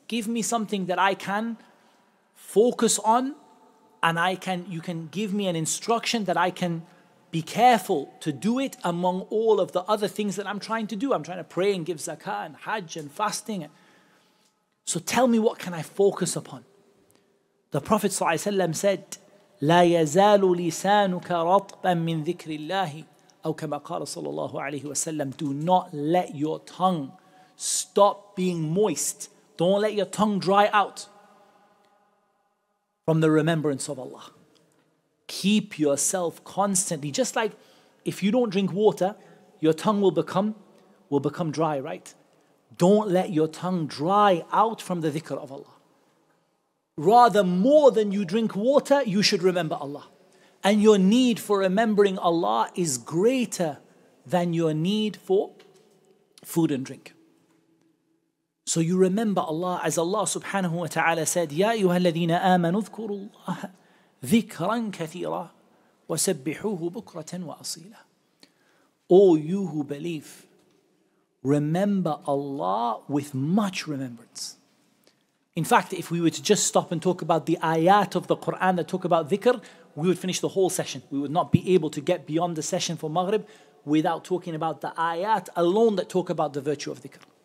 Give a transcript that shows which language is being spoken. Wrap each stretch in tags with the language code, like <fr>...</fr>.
<en>Give me something that I can focus on, and you can give me an instruction that I can be careful to do it among all of the other things that I'm trying to do. I'm trying to pray and give zakah and hajj and fasting. So tell me, what can I focus upon? The Prophet ﷺ said,</en> <ar>لَا يَزَالُ لِسَانُكَ رَطْبًا مِّن ذِكْرِ اللَّهِ أو كما قال صلى الله عليه وسلم.</ar> <en>Do not let your tongue stop being moist. Don't let your tongue dry out from the remembrance of Allah. Keep yourself constantly, just like if you don't drink water, your tongue will become dry, right? Don't let your tongue dry out from the dhikr of Allah. Rather, more than you drink water, you should remember Allah. And your need for remembering Allah is greater than your need for food and drink. So you remember Allah, as Allah subhanahu wa ta'ala said,</en> <ar>يَا أَيُّهَا الَّذِينَ آمَنُوا اذْكُرُوا اللَّهَ ذِكْرًا كَثِيرًا وَسَبِّحُوهُ بُكْرَةً وَأَصِيلًا.</ar> <en>O you who believe, remember Allah with much remembrance. In fact, if we were to just stop and talk about the ayat of the Quran that talk about dhikr, we would finish the whole session. We would not be able to get beyond the session for Maghrib without talking about the ayat alone that talk about the virtue of dhikr.</en>